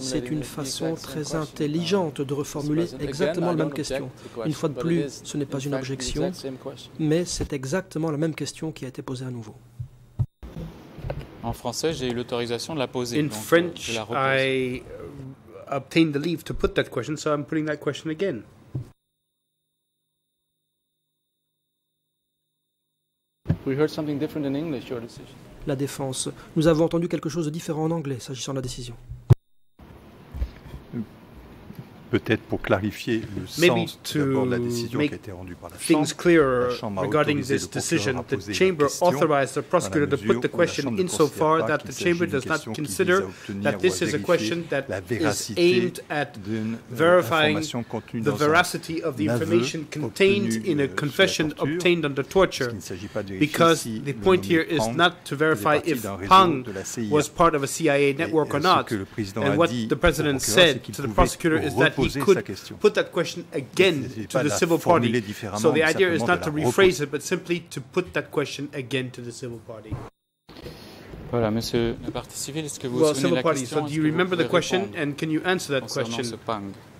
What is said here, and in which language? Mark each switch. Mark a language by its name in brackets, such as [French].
[French] C'est une façon très intelligente de reformuler exactement la même question. Une fois de plus, ce n'est pas une objection, mais c'est exactement la même question qui a été posée à nouveau. En français, j'ai eu l'autorisation de la poser. [English] In French, I obtained the leave to put that question, so I'm putting that question again. We heard something different in English, your decision. [French] La défense. Nous avons entendu quelque chose de différent en anglais s'agissant de la décision. Peut-être pour clarifier le sens d'abord de la décision qui a été rendue par la Chambre. [English] Things clearer regarding this decision. The chamber authorized the prosecutor to put the question insofar that the chamber does not consider that this is a question that is aimed at verifying the veracity of the information contained in a confession obtained under torture. Because the point here is not to verify if Pang was part of a CIA network or not. And what the president said to the prosecutor is that he could put that question again to the civil party. So the idea is not to rephrase it, but simply to put that question again to the civil party. [French] Voilà, monsieur le parti civil, est-ce que vous souvenez [English] civil [French] la [English] party, question? So do you remember the question, and can you answer that question?